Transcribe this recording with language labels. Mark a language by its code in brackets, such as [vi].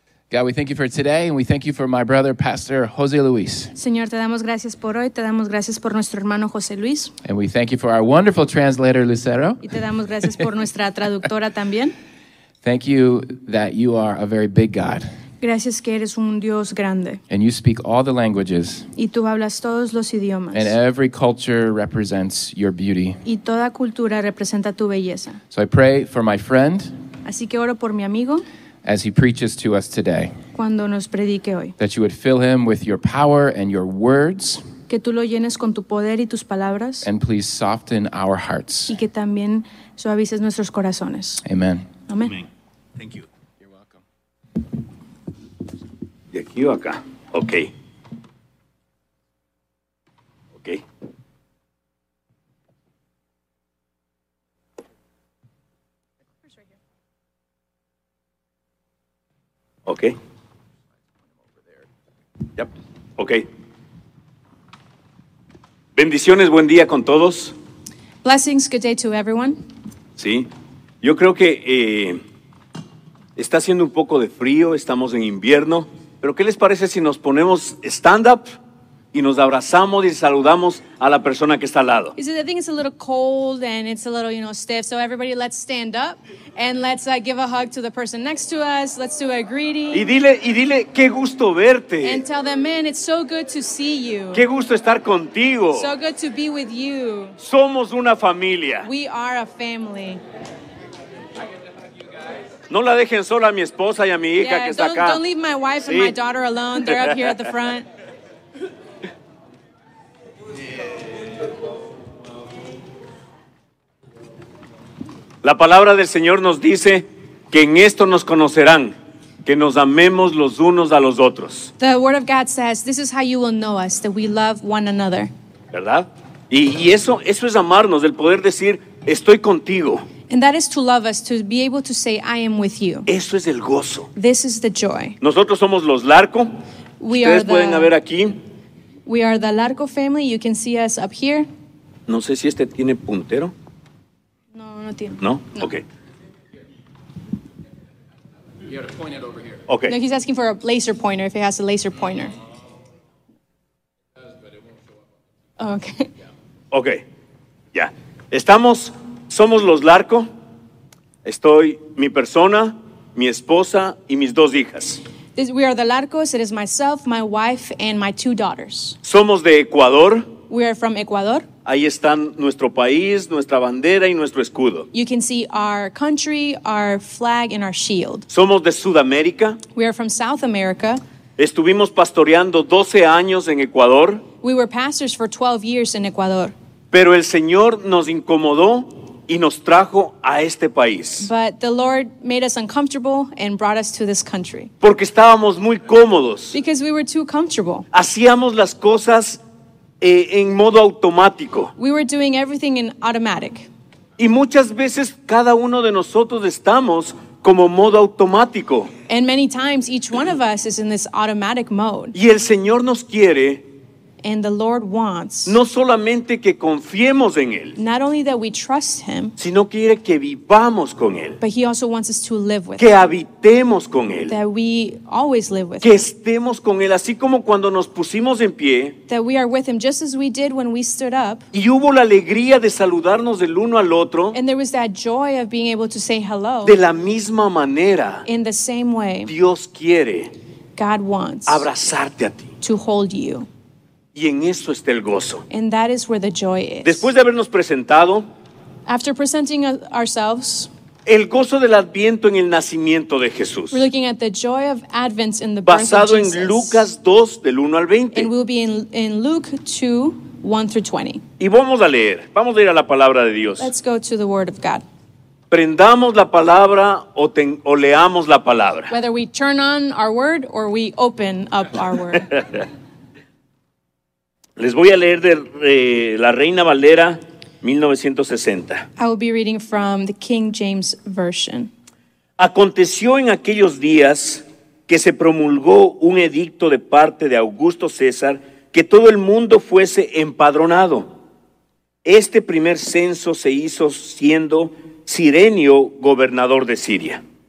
[en] God, we thank you for today, and we thank you for my brother, Pastor Jose Luis. [es] Señor, te damos gracias por hoy, te damos gracias por nuestro hermano José Luis. [en] And we thank you for our wonderful translator, Lucero. [es] Y te damos gracias por nuestra traductora también. [en] Thank you that you are a very big God. [es] Gracias que eres un Dios grande. [en] And you speak all the languages. [es] Y tú hablas todos los idiomas. [en] And every culture represents your beauty. [es] Y toda cultura representa tu belleza. [en] So I pray for my friend. [es] Así que oro por mi amigo. [en] As he preaches to us today. [es] Cuando nos predique hoy. [en] That you would fill him with your power and your words. [es] Que tú lo llenes con tu poder y tus palabras. [en] And please soften our hearts. [es] Y que también suavices nuestros corazones. [en] Amen. [es] Amen. [en] Thank you. You're welcome. [es] De aquí o acá. Okay. [en] Okay. Okay. Yep. Okay. [es] Bendiciones, buen día con todos. [en] Blessings, good day to everyone. [es] Sí. Yo creo que está haciendo un poco de frío, estamos en invierno, pero ¿qué les parece si nos ponemos [en] stand up [es] y nos abrazamos y saludamos a la persona que está al lado? [en] You see, I think it's a little cold and it's a little, you know, stiff, so everybody let's stand up and let's give a hug to the person next to us, let's do a greeting. [es] Y dile, qué gusto verte. [en] And tell them, man, it's so good to see you. [es] Qué gusto estar contigo. [en] So good to be with you. [es] Somos una familia. [en] We are a family. [es] No la dejen sola a mi esposa y a mi hija que está acá. [en] Don't leave my wife and my daughter alone. They're up here at the front. [es] La palabra del Señor nos dice que en esto nos conocerán, que nos amemos los unos a los otros. [en] The word of God says, this is how you will know us, that we love one another. [es] ¿Verdad? Y eso es amarnos, el poder decir, estoy contigo. [en] And that is to love us, to be able to say, I am with you. [es] Eso es el gozo. [en] This is the joy. [es] Nosotros somos los Larco. Ustedes pueden ver aquí. [en] We are the Larco family. You can see us up here. [es] No sé si este tiene puntero. No, no tiene. No? No. Okay. [en] You gotta point it over here. Okay. No, he's asking for a laser pointer, if it has a laser pointer. It has, but it won't show up. Okay. [es] Yeah. Okay. Yeah. Somos los Larco. Estoy mi persona, mi esposa y mis dos hijas. [en] We are the Larcos. It is myself, my wife, and my two daughters. [es] Somos de Ecuador. [en] We are from Ecuador. [es] Ahí están nuestro país, nuestra bandera y nuestro escudo. [en] You can see our country, our flag, and our shield. [es] Somos de Sudamérica. [en] We are from South America. [es] Estuvimos pastoreando 12 años en Ecuador. [en] We were pastors for 12 years in Ecuador. [es] Pero el Señor nos incomodó y nos trajo a este país. [en] But the Lord made us uncomfortable and brought us to this country. [es] Porque estábamos muy cómodos. [en] Because we were too comfortable. [es] Hacíamos las cosas en modo automático. [en] We were doing everything in automatic. [es] Y muchas veces cada uno de nosotros estamos como modo automático. [en] And many times each one of us is in this automatic mode. [es] Y el Señor nos quiere. [en] And the Lord wants [es] no solamente que confiemos en él, [en] not only that we trust him, [es] sino quiere que vivamos con él, [en] but he also wants us to live with [es] que [en] him, [es] habitemos con él, [en] that we always live with [es] que [en] him, [es] que estemos con él, así como cuando nos pusimos en pie, [en] that we are with him just as we did when we stood up, [es] y hubo la alegría de saludarnos del uno al otro, [en] and there was that joy of being able to say hello, [es] de la misma manera, [en] in the same way, [es] Dios quiere, [en] God wants [es] abrazarte a ti, [en] to hold you. [es] Y en eso está el gozo. [en] And that is where the joy is. [es] Después de habernos presentado, [en] after presenting ourselves, [es] el gozo del Adviento en el nacimiento de Jesús. [en] We're looking at the joy of Advent in the birth of Jesus. [es] Basado en Lucas 2, del 1 al 20. [en] And we'll be in Luke 2, 1 through 20. [es] Y vamos a leer. Vamos a ir a la palabra de Dios. [en] Let's go to the word of God. [es] Prendamos la palabra o leamos la palabra. [en] Whether we turn on our word or we open up our word. [es] Les voy a leer de la Reina Valera, 1960. [en] I will be reading from the King James Version. [es] Aconteció en aquellos días que se promulgó un edicto de parte de Augusto César que todo el mundo fuese empadronado. Este primer censo se hizo siendo Cirenio gobernador de Siria.